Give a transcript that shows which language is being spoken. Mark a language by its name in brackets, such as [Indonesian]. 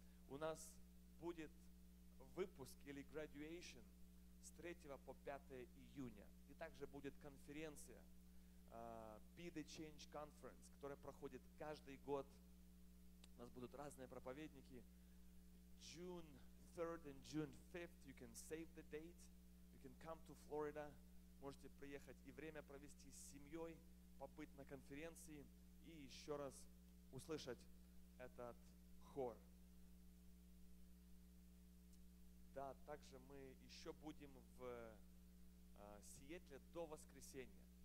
[Russian] У нас будет выпуск или graduation с 3 по 5 июня. И также будет конференция Be the Change Conference, которая проходит каждый год. У нас будут разные проповедники. [English] June 3rd and June 5th, you can save the date. You can come to Florida. [Russian] Можете приехать и время провести с семьей, побыть на конференции и еще раз услышать этот хор. Да, также мы еще будем в Сиэтле до воскресенья.